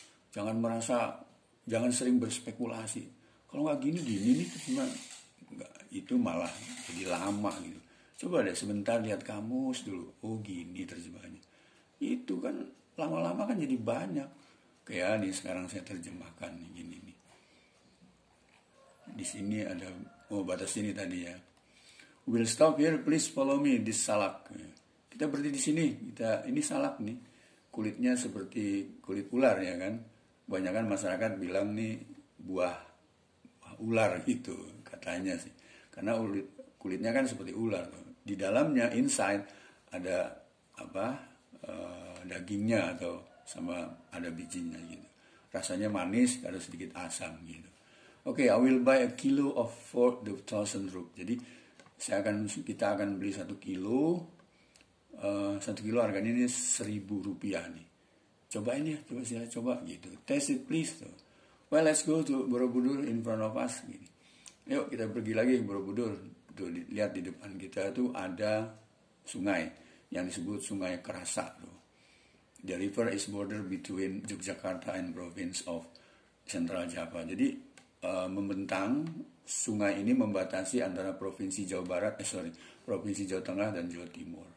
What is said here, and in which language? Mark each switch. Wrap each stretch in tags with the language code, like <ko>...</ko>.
<id>Jangan merasa, jangan sering berspekulasi. Kalau nggak gini, gini nih cuma nggak, itu malah jadi lama gitu. Coba deh sebentar lihat kamus dulu. Oh gini terjemahannya. Itu kan lama-lama kan jadi banyak. Kayak nih sekarang saya terjemahkan gini nih. Di sini ada, oh batas ini tadi ya.</id> <en>We'll stop here, please follow me, this salak.</en> <id>Kita berdiri di sini, kita ini salak nih. Kulitnya seperti kulit ular ya kan. Kebanyakan masyarakat bilang nih buah ular gitu katanya sih. Karena kulitnya kan seperti ular. Di dalamnya inside ada apa? Dagingnya atau sama ada bijinya gitu. Rasanya manis, ada sedikit asam gitu.</id> <en>Okay, I will buy a kilo of 4,000 rupiah.</en> <id>Jadi kita akan beli 1 kilo. 1 kilo harganya ini 1000 rupiah nih. Cobain ya, coba sila coba gitu.</id> <en>Test it please. So. Well, let's go to Borobudur in front of us. Gini.</en> <id>Yuk kita pergi lagi ke Borobudur. Tuh, lihat di depan kita tuh ada sungai yang disebut Sungai Kerasa. Tuh.</id> <en>The river is border between Yogyakarta and province of Central Java.</en> <id>Jadi membentang, sungai ini membatasi antara provinsi Jawa Barat, provinsi Jawa Tengah dan Jawa Timur.</id>